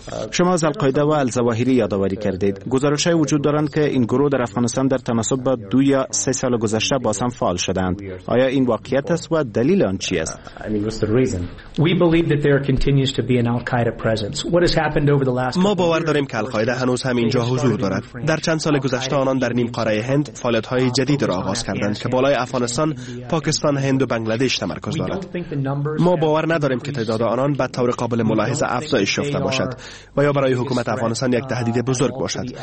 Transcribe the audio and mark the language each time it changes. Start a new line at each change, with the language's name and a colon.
Persian: شما از القاعده و الزواهری یادآوری کردید. گزارش‌های وجود دارند که این گروه در افغانستان در تناسب با دو یا سه سال گذشته باز هم فعال شدند. آیا این واقعیت است و دلیل آن چی است؟
English: We believe that there continues to be an al-Qaeda presence. What has happened over the last
Persian: ما باور داریم که القاعده هنوز هم اینجا حضور دارد. در چند سال گذشته آنان در نیم قاره هند فعالیت‌های جدید را آغاز کردند که بالای افغانستان، پاکستان، هند و بنگلادش تمرکز دارد. ما باور نداریم که تعداد آنان به طور قابل ملاحظه افزایش یافته باشد و یا برای حکومت افغانستان یک تهدید بزرگ باشد.